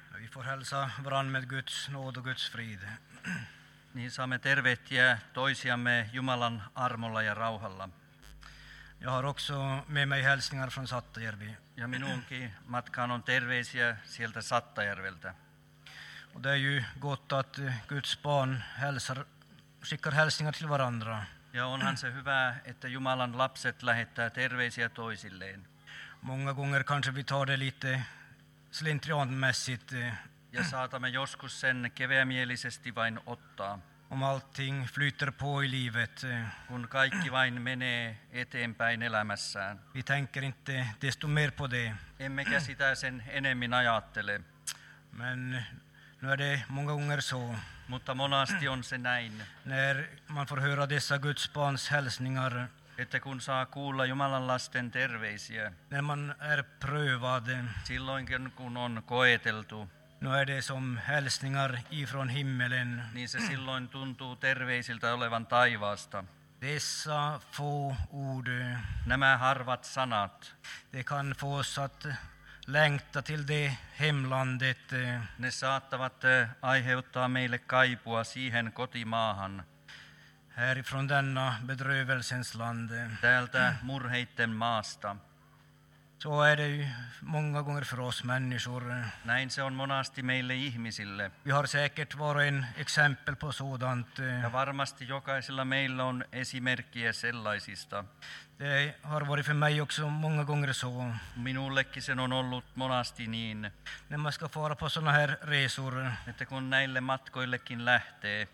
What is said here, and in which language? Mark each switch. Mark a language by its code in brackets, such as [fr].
[sv] får hälsa varandra med Guds nåd och Guds frid. [fi] Ni saamme tervehtiä toisiamme Jumalan armolla ja rauhalla. [sv] Jag har också med mig hälsningar från Sattajärvi. [fi] Ja minunkin matkaan on terveisiä sieltä Sattajärveltä. [sv] Och det är ju gott att Guds barn hälsar, skickar hälsningar till varandra. [fi] Ja onhan se hyvä, että Jumalan lapset lähettää terveisiä toisilleen. [sv] Många gånger kanske vi tar det lite slentrianmässigt. [fi] Ja saatamme joskus sen keveämielisesti vain ottaa. [sv] Om allting flyter på i livet. [fi] Kun kaikki vain menee eteenpäin elämässään. [sv] Vi tänker inte desto mer på det. [fi] Emmekä sitä sen enemmän ajattele. [sv] Men nu är det många gånger så. [fi] Mutta monasti on se näin. [sv] När man får höra dessa Guds barns hälsningar. [fi] Että kun saa kuulla Jumalan lasten terveisiä. [sv] När man är prövad. [fi] Silloinkin kun on koeteltu. [sv] Nu är det som hälsningar ifrån himmelen. [fi] Niin se silloin tuntuu terveisiltä olevan taivaasta. [sv] Dessa få ord. [fi] Nämä harvat sanat. [sv] Det kan få oss att längta till det hemlandet. [fi] Ne saattavat aiheuttaa meille kaipua siihen kotimaahan. [sv] Härifrån denna bedrövelsens land. [fi] Täältä murheitten maasta. [sv] Så är det många gånger för oss människor. [fi] Näin se on monasti meille ihmisille. [sv] Vi har säkert var en exempel på sådant. [fi] Ja varmasti jokaisella meillä on esimerkkiä sellaisista. [sv] Det har varit för mig också många gånger så. [fi] Minullekin sen on ollut monasti niin. [sv] När man ska fara på såna här resor. [fi] Että kun näille matkoillekin lähtee.